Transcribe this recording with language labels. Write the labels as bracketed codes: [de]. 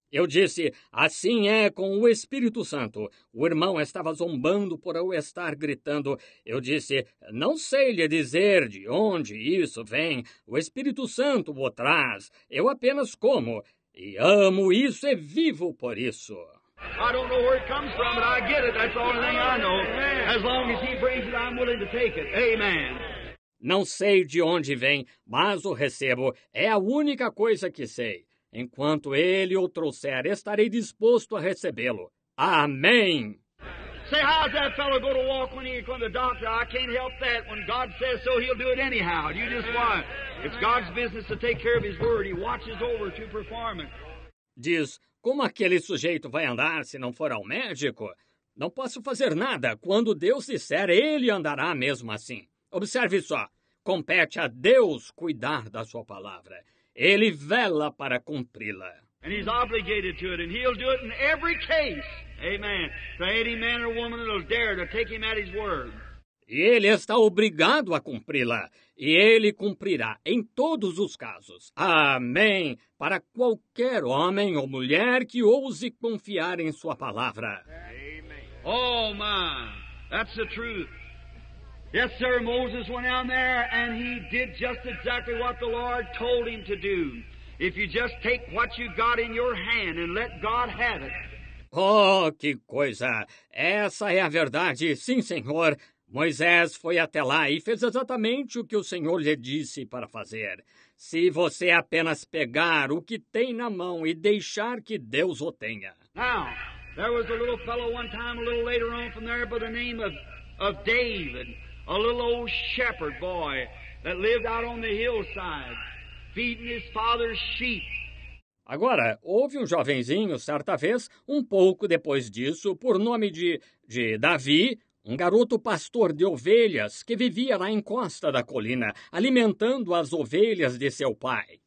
[pt] Eu disse, assim é com o Espírito Santo. O irmão estava zombando por eu estar gritando. Eu disse, não sei lhe dizer de onde isso vem. O Espírito Santo o traz. Eu apenas como. E amo isso e vivo por isso. [en] I don't know where it comes from, but I get it. That's the only thing I know. As long as he brings it, I'm willing to take it. Amen. [pt] Não sei de onde vem, mas o recebo. É a única coisa que sei. Enquanto ele o trouxer, estarei disposto a recebê-lo. Amém. [en] Say, how's that fellow going to walk when he's going to the doctor? I can't help that. When God says so, he'll do it anyhow. You just watch. It's God's business to take care of his word. He watches over to perform it. [pt] Diz, Como aquele sujeito vai andar se não for ao médico? Não posso fazer nada. Quando Deus disser, ele andará mesmo assim. Observe só. Compete a Deus cuidar da sua palavra. Ele vela para cumpri-la. [en] And he's obligated to it, and he'll do it in every case. Amen. For any man or woman that'll dare to take him at his word. [pt] E ele está obrigado a cumpri-la, e ele cumprirá em todos os casos. Amém. Para qualquer homem ou mulher que ouse confiar em sua palavra. [en] Amen. Oh, man. That's the truth. Yes, sir, Moses went down there, and he did just exactly what the Lord told him to do. If you just take what you got in your hand and let God have it. [pt] Oh, que coisa! Essa é a verdade. Sim, Senhor. Moisés foi até lá e fez exatamente o que o Senhor lhe disse para fazer. Se você apenas pegar o que tem na mão e deixar que Deus o tenha. [en] Now, there was a little fellow one time, a little later on from there, by the name of David, a little old shepherd boy that lived out on the hillside. Feeding his father's sheep. [pt] Agora, houve um jovenzinho, certa vez, um pouco depois disso, por nome de Davi, um garoto pastor de ovelhas que vivia lá em costa da colina, alimentando as ovelhas de seu pai.